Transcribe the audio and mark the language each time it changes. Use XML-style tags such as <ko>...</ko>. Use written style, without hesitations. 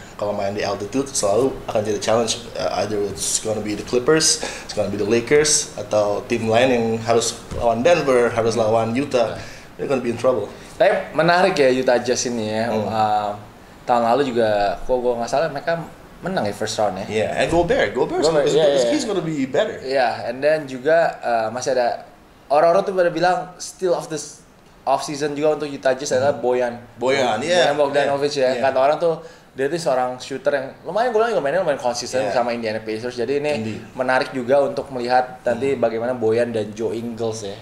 <id>Kalau main di altitude selalu akan jadi</id> <en>challenge either it's gonna be the Clippers, it's gonna be the Lakers</en> <id>atau tim lain yang harus lawan Denver, harus lawan Utah,</id> <en>they're gonna be in trouble.</en> <id>Tapi menarik ya Utah Jazz ini ya. Tahun lalu juga, kok gue nggak salah, mereka menang ya first round ya.</id> <en>Yeah, and Gobert, so he's gonna be better. Yeah, and then</en> <id>juga masih ada orang-orang tuh pada bilang</id> <en>still of this off season</en> <id>juga untuk Utah Jazz adalah Bojan Bogdanovic ya. Kata orang tuh dia tuh seorang shooter yang lumayan, gue bilang juga mainnya konsisten sama Indiana Pacers. Jadi ini menarik juga untuk melihat nanti bagaimana Bojan dan Joe Ingles ya.</id>